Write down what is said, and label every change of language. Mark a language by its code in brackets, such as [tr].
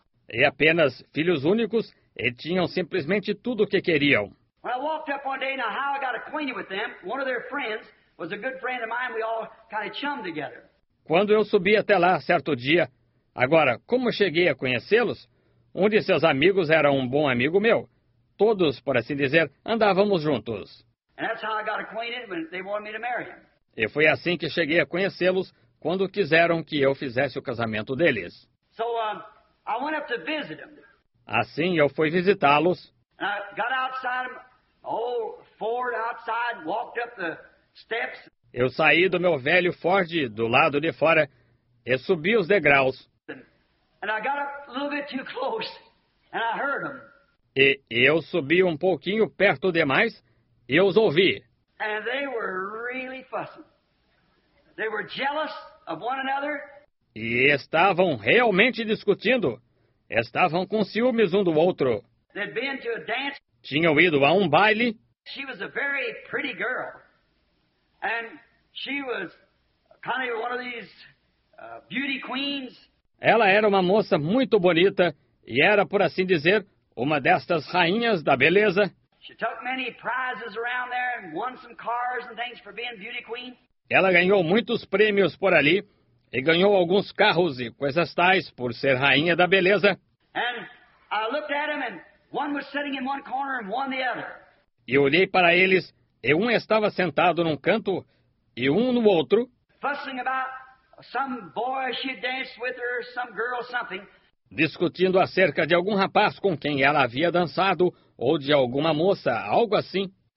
[pt] E apenas filhos únicos e tinham simplesmente tudo o que queriam. [en] Well, I walked up one day, now how I got acquainted with them, one of their friends was a good friend of mine, we all kind of chummed together. [pt] Quando eu subi até lá, certo dia, agora, como cheguei a conhecê-los, um de seus amigos era um bom amigo meu. Todos, por assim dizer, andávamos juntos. [en] And that's how I got acquainted when they wanted me to marry him. [pt] E foi assim que cheguei a conhecê-los quando quiseram que eu fizesse o casamento deles. [en] So, I went up to visit them. [pt] Assim, eu fui visitá-los. [en] And I got outside, old Ford outside, walked up the steps. [pt] Eu saí do meu velho Ford do lado de fora e subi os degraus. [en] And I got up a little bit too close, and I heard them. [pt] E eu subi um pouquinho perto demais e os ouvi. [en] And they were really fussing. They were jealous of one another. [pt] E estavam realmente discutindo. Estavam com ciúmes um do outro. [en] They'd been to a dance. [pt] Tinham ido a um baile. [en] She was a very pretty girl. And she was kind of one of these beauty queens. [pt] Ela era uma moça muito bonita e era, por assim dizer, uma destas rainhas da beleza. [en] She took many prizes around there and won some cars and things for being beauty queen. [pt] Ela ganhou muitos prêmios por ali e ganhou alguns carros e coisas tais por ser rainha da beleza. [en] And I looked at him and one was sitting in one corner and one the other. [pt] E olhei para eles e um estava sentado num canto e um no outro. [en] Fussing about some boy she danced with or some girl something. [pt] Discutindo acerca de algum rapaz com quem ela havia dançado, ou de alguma moça, algo assim.